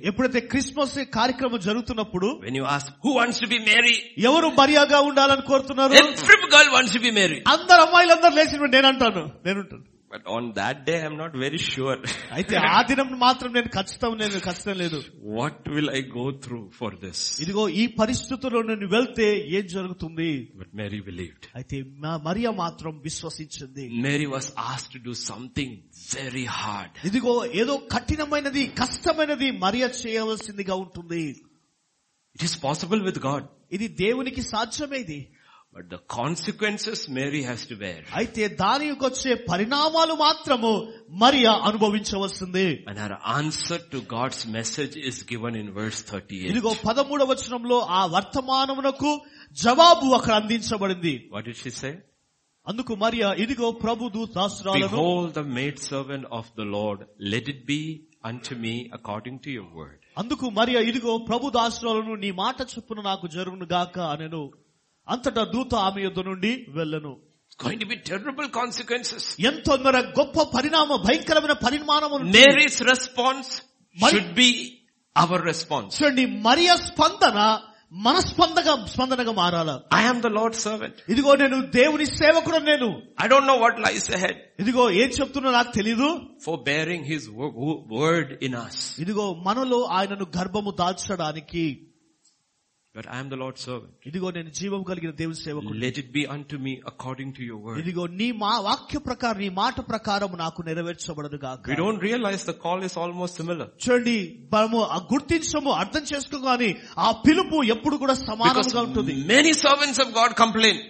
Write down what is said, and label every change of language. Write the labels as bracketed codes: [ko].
[te] ఎప్పుడైతే క్రిస్మస్ కార్యక్రమం జరుగుతున్నప్పుడు. [en] When you ask who wants to be Mary. [te] ఎవరు మరియాగా ఉండాలని కోరుతున్నారు. [en] Every girl wants to be Mary. [te] అందరు అమ్మాయిలందరూ లేచినప్పుడు నేనంటాను నేనుంటాను. [en] But on that day, I'm not very sure. [te] అయితే ఆ దినం మాత్రం నేను ఖచ్చితం లేదు. [en] What will I go through for this? [te] ఇదిగో ఈ పరిస్థితుల్లో నేను వెళ్తే ఏం జరుగుతుంది? [en] But Mary believed. [te] అయితే మరియ మాత్రం విశ్వసించింది. [en] Mary was asked to do something very hard. [te] ఇదిగో ఏదో కఠినమైనది కష్టమైనది మరియ చేయవలసిందిగా ఉంటుంది. [en] It is possible with God. [te] ఇది దేవునికి సాధ్యమే. ఇది [en] But the consequences Mary has to bear. [te] అయితే దానికి వచ్చే పరిణామాలు మాత్రము మరియ అనుభవించవలసింది. [en] And her answer to God's message is given in verse 38. [te] ఇదిగో 13వ వచనంలో ఆ వర్తమానమునకు జవాబు అక్కడ అందించబడింది. [en] What did she say? [te] అందుకు మరియ ఇదిగో ప్రభు దూత దాసురాలను. [en] Behold the maid servant of the Lord, let it be unto me according to your word. [te] అందుకు మరియ ఇదిగో ప్రభు దాసురాలను నీ మాట చొప్పున నాకు జరుగును గాక అనెను. అంతటా దూత ఆమె యొద్ద నుండి వెళ్ళను. [en] Going to be terrible consequences. [te] ఎంతో మరి గొప్ప పరిణామ భయంకరమైన పరిణామం. [en] Mary's response should be our response. [te] చూడండి మరియ స్పందన మనస్పందగా స్పందనగా మారాల. [en] I am the Lord's servant. [te] ఇదిగో నేను దేవుని సేవకుడు నేను. [en] I don't know what lies ahead. [te] ఇదిగో ఏం చెప్తున్నా నాకు తెలీదు. [en] For bearing his word in us. [te] ఇదిగో మనలో ఆయనను గర్భము దాల్చడానికి. [en] But I am the Lord's servant. Let it be unto me according to your word. We don't realize the call is almost similar. Because many servants of God complain.